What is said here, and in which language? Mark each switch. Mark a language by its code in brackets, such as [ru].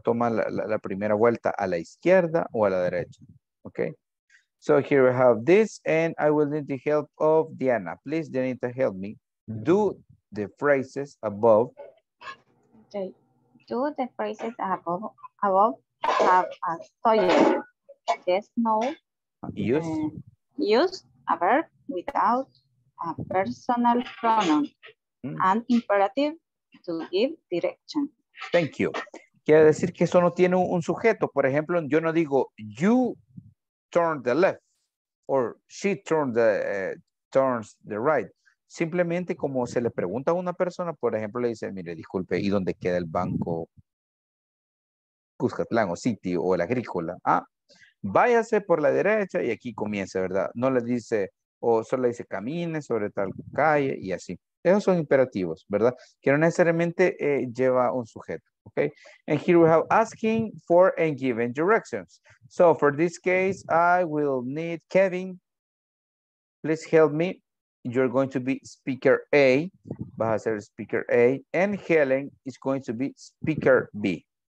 [es] Toma la primera vuelta a la izquierda o a la derecha, okay? [en] So here we have this, and I will need the help of Diana. Please, Dianita, help me. Do the phrases above. Okay. Do the phrases above have a subject? Yes, no. Use a verb without a personal pronoun. An imperative to give direction. Thank you. [es] Quiere decir que eso no tiene un sujeto. Por ejemplo, yo no digo [en] you turn the left or she turns the right. [es] Simplemente como se le pregunta a una persona, por ejemplo, le dice, mire, disculpe, ¿y dónde queda el banco Cuscatlán o City o el Agrícola? Ah, váyase por la derecha y aquí comienza, ¿verdad? No le dice, o solo le dice camine sobre tal calle y así. Esos son imperativos, ¿verdad? Que no necesariamente lleva un sujeto, ¿ok? [en] And here we have asking for and giving directions. So for this case, I will need Kevin. Please help me. You're going to be speaker A. [es] Vas a ser speaker A. [en] And Helen is going to be speaker B.